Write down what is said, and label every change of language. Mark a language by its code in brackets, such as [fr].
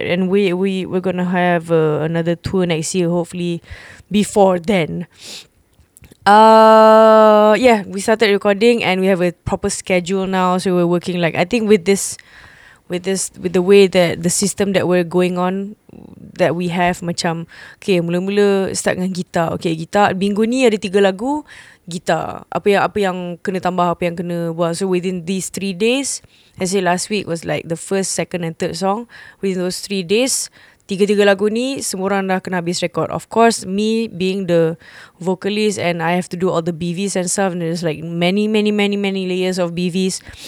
[en] And we're gonna have another tour next year, hopefully before then. Yeah, we started recording and we have a proper schedule now. So we're working, like, I think with the way that the system that we're going on, that we have [ms] macam okay, mula-mula start dengan gitar. Okay, gitar minggu ni ada 3 lagu gitar, apa yang kena tambah, apa yang kena buat. [en] So within these 3 days, I say last week was like the first, second and third song. Within those 3 days, [ms] 3 lagu ni semua orang dah kena habis record. [en] Of course, me being the vocalist, and I have to do all the BVs and stuff, and there's like many, many, many, many layers of BVs.